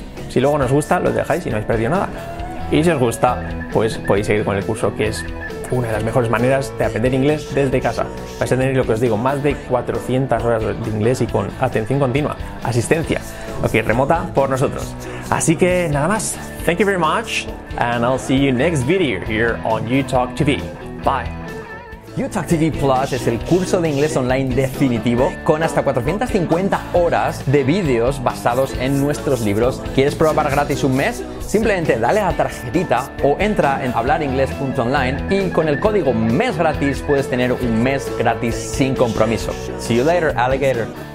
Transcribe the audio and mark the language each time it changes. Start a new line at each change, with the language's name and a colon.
Spanish: Si luego nos gusta, lo dejáis y no habéis perdido nada. Y si os gusta, pues podéis seguir con el curso, que es una de las mejores maneras de aprender inglés desde casa. Vais a tener, lo que os digo, más de 400 horas de inglés y con atención continua, asistencia, ok, remota por nosotros. Así que nada más.
English: Thank you very much and I'll see you next video here on UTalk TV. Bye.
Spanish: UTalk TV Plus es el curso de inglés online definitivo con hasta 450 horas de vídeos basados en nuestros libros. ¿Quieres probar gratis un mes? Simplemente dale a la tarjetita o entra en hablaringles.online y con el código MESGRATIS puedes tener un mes gratis sin compromiso.
English: See you later, alligator.